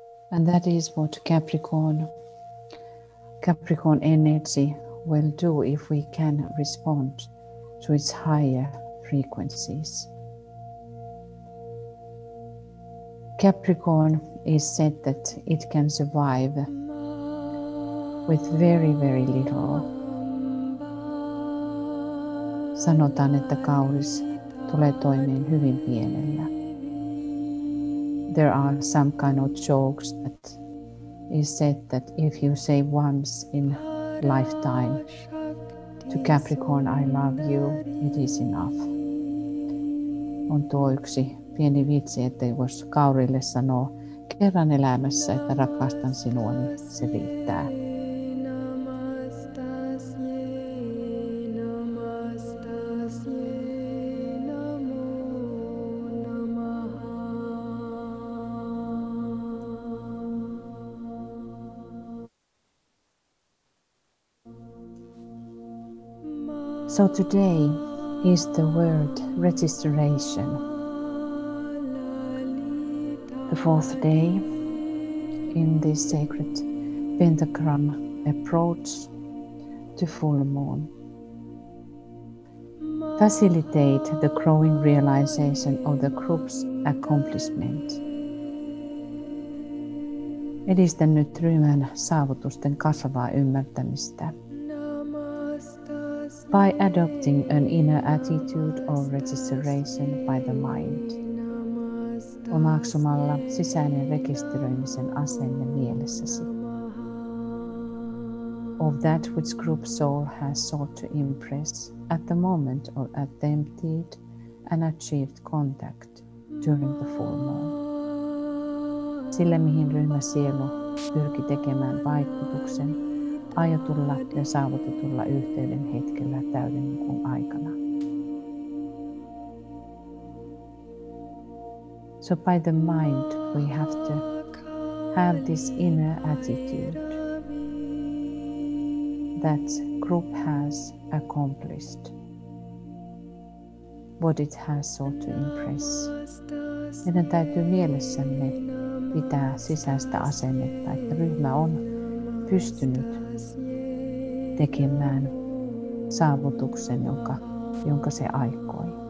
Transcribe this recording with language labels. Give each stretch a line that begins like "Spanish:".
English: And that is what Capricorn energy will do if we can respond to its higher frequencies. Capricorn is said that it can survive with very, very little.
Finnish: Sanotaan, että kauris tulee toimeen hyvin pienellä.
English: There are some kind of jokes that is said that if you say once in lifetime to Capricorn, I love you, it is enough.
Finnish: On tuo yksi pieni vitsi, että jos kaurille sanoo kerran elämässä, että rakastan sinua, niin se riittää.
English: So today is the word registration, the fourth day in this sacred pentagram approach to full moon. Facilitate the growing realization of the group's accomplishment.
Finnish: Edistä nyt ryhmän saavutusten kasvavaa ymmärtämistä.
English: By adopting an inner attitude of registration by the mind.
Finnish: Omaksumalla sisäinen rekisteröimisen asenne mielessäsi.
English: Of that which group soul has sought to impress at the moment of attempted and achieved contact during the full moon.
Finnish: Sille, mihin ryhmä sielu pyrki tekemään vaikutuksen ajatulla ja saavutetulla yhteyden hetkellä täyden kuin aikana.
English: So by the mind we have to have this inner attitude that group has accomplished what it has sought to impress.
Finnish: Meidän täytyy mielessämme pitää sisäistä asennetta, että ryhmä on pystynyt tekemään saavutuksen, jonka se aikoi.